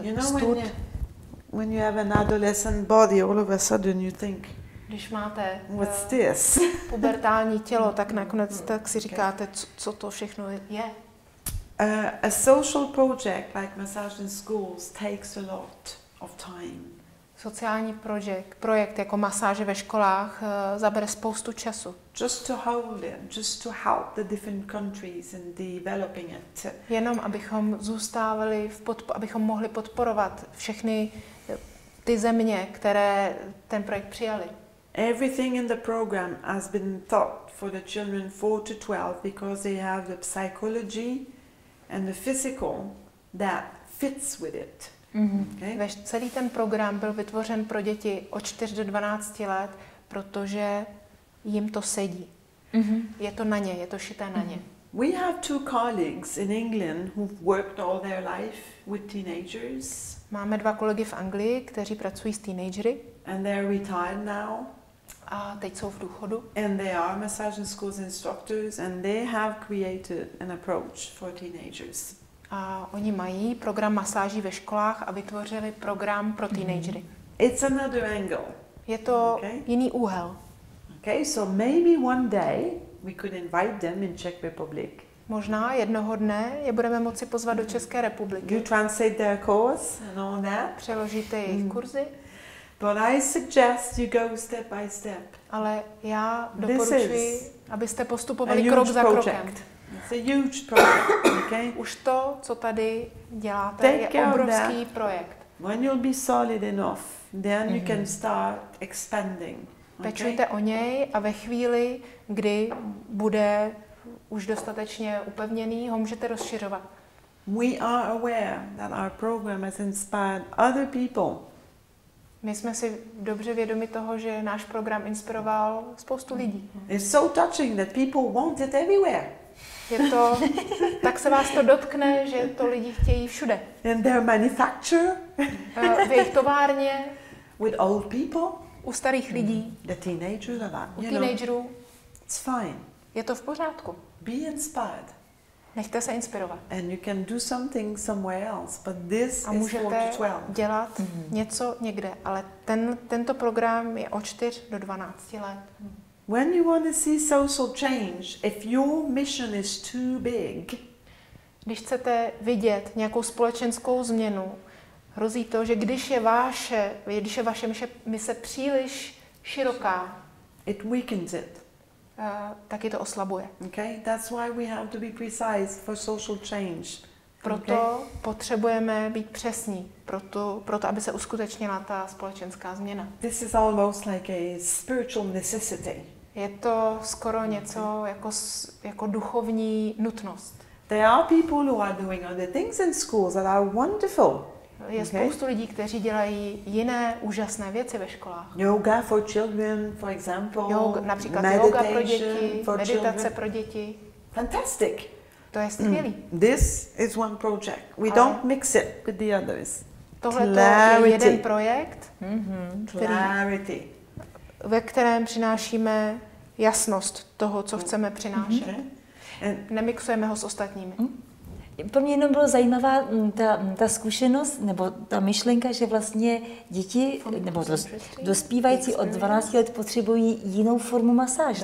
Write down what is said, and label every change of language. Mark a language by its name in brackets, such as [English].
[English] You know, when you have an adolescent body, all of a sudden you think. [Czech] Když máte [English] what's this? [Czech] Pubertální tělo, tak nakonec tak si říkáte, co to všechno je. [English] A social project like massage in schools takes a lot. [Czech] Sociální projekt jako masáže ve školách zabere spoustu času. [English] Just to hold it, just to help the different countries in developing it. [Czech] Jenom abychom zůstávali, abychom mohli podporovat všechny ty země, které ten projekt přijali. [English] Everything in the program has been thought for the children 4 to 12 because they have the psychology and the physical that fits with it. Mm-hmm. Okay? [Czech] Celý ten program byl vytvořen pro děti od 4 do 12 let, protože jim to sedí. Mm-hmm. Je to na ně, je to šité na ně. [English] We have two colleagues in England who've worked all their life with teenagers. [Czech] Máme dva kolegy v Anglii, kteří pracují s teenagery. [English] And they're retired now. [Czech] A teď jsou v důchodu. [English] And they are massage and schools instructors and they have created an approach for teenagers. [Czech] A oni mají program masáží ve školách a vytvořili program pro teenagery. [English] It's another angle. [Czech] Je to jiný úhel. [English] Okay, so maybe one day we could invite them in Czech Republic. [Czech] Možná jednoho dne je budeme moci pozvat do České republiky. [English] You translate their course and all that. [Czech] Přeložíte jejich kurzy. [English] But I suggest you go step by step. [Czech] Ale já doporučuji, abyste postupovali krok za krokem. [English] It's a huge project, okay? [Czech] Už to, co tady děláte, take je obrovský projekt. [English] When you'll be solid enough, then you can start expanding. [Czech] Pečujte o něj a ve chvíli, kdy bude už dostatečně upevněný, ho můžete rozšiřovat. [English] We are aware that our program has inspired other people. [Czech] My jsme si dobře vědomi toho, že náš program inspiroval spoustu lidí. [English] It's so touching that people want it everywhere. [Czech] Je to, tak se vás to dotkne, že to lidi chtějí všude. [English] In their manufacture. [Czech] V jejich továrně. [English] With old people. [Czech] U starých lidí. [English] The teenagers are that. [Czech] U teenagerů. [English] It's fine. [Czech] Je to v pořádku. [English] Be inspired. [Czech] Nechte se inspirovat. [English] And you can do something somewhere else, but this [Czech] a můžete dělat něco někde, ale tento program je od 4 do 12 let. [English] When you want to see social change, if your mission is too big. [Czech] Když chcete vidět nějakou společenskou změnu, hrozí to, že když je vaše mise příliš široká, [English] it weakens it. [Czech] Tak je to oslabuje. [English] Okay, that's why we have to be precise for social change. [Czech] Proto potřebujeme být přesní, proto aby se uskutečnila ta společenská změna. [English] This is almost like a spiritual necessity. [Czech] Je to skoro něco jako duchovní nutnost. [English] There are people who are doing other things in schools that are wonderful. [Czech] Je spoustu lidí, kteří dělají jiné úžasné věci ve školách. [English] Yoga for children, for example. [Czech] Například yoga pro děti, meditace [English] children. [Czech] Pro děti. [English] Fantastic. [Czech] To je skvělý. [English] This is one project. We don't mix it with the others. [Czech] Tohle je jeden projekt. [English] Clarity. [Czech] Ve kterém přinášíme jasnost toho, co chceme přinášet. Nemixujeme ho s ostatními. Pro mě jenom byla zajímavá ta zkušenost, nebo ta myšlenka, že vlastně děti, nebo dospívající od 12 let potřebují jinou formu masáže.